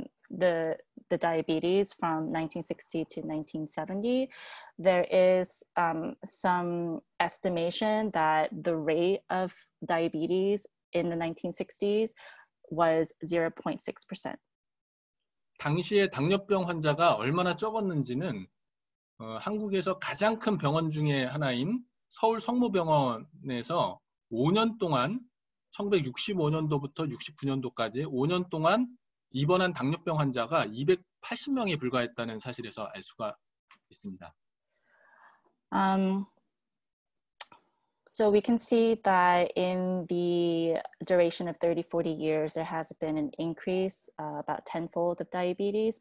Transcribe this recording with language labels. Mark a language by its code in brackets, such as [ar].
[en] the diabetes from 1960 to 1970, there is some estimation that the rate of diabetes in the 1960s was 0.6%. [ko] 당시에 당뇨병 환자가 얼마나 적었는지는 한국에서 가장 큰 병원 중에 하나인 서울 성모병원에서 5년 동안 1965년도부터 69년도까지 5년 동안 입원한 당뇨병 환자가 280명에 불과했다는 사실에서 알 수가 있습니다. [en] So we can see that in the duration of 30, 40 years, there has been an increase about tenfold of diabetes.